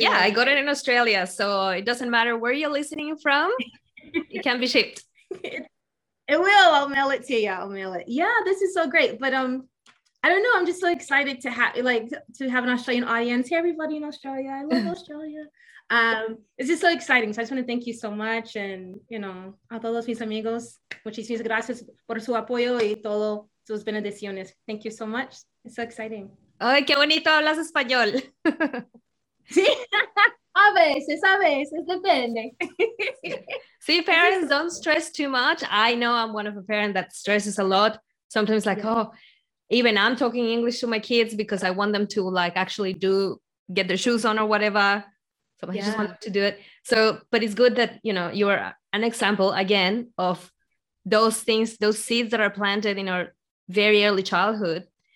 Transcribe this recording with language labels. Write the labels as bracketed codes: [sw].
[en] Yeah, I got it in Australia, so it doesn't matter where you're listening from, it can be shipped. It will. I'll mail it to you. Yeah, this is so great. But I don't know, I'm just so excited to have an Australian audience. Hey, everybody in Australia, I love Australia. It's just so exciting, so I just want to thank you so much. And you know, [es] a todos mis amigos, muchísimas gracias por su apoyo y todo sus bendiciones. [en] Thank you so much. It's so exciting. [es] Ay, qué bonito hablas español. Sí, a veces, depende. [en] See, parents don't stress too much. I know I'm one of a parent that stresses a lot. Sometimes like, yeah. Oh, even I'm talking English to my kids because I want them to like actually do, get their shoes on or whatever. So I just want them to do it. So, but it's good that, you know, you are an example again of those things, those seeds that are planted in our very early childhood.